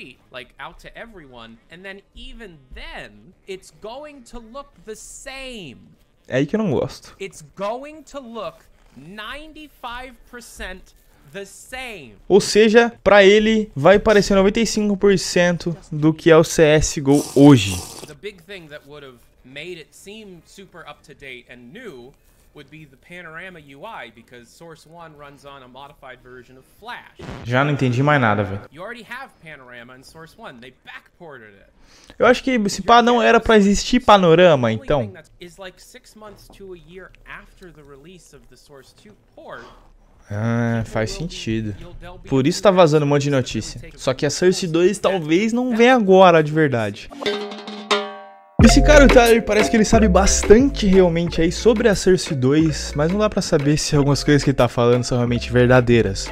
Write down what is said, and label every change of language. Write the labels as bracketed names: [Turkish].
[English] Like out to everyone, and then even then, it's going to look the same. [Portuguese] É aí que eu não gosto. [English] It's going to look 95% the same. [Portuguese] Ou seja, pra ele vai parecer 95% do que é o CSGO hoje. [English] The big thing that would have made it seem super up to date and new would be the panorama UI, because Source 1 runs on a modified version of Flash. [Portuguese] Já não entendi mais nada, velho. [English] You already have panorama in Source 1. They backported it. [Portuguese] Eu acho que esse pá não era pra existir panorama, então. [English] Is like 6 months to a year after the release of the Source 2 port. [Portuguese] Ah, faz sentido. Por isso tá vazando um monte de notícia. Só que a Source 2 talvez não venha agora de verdade. Esse cara, o Tyler, parece que ele sabe bastante realmente aí sobre a Source 2, mas não dá pra saber se algumas coisas que ele tá falando são realmente verdadeiras.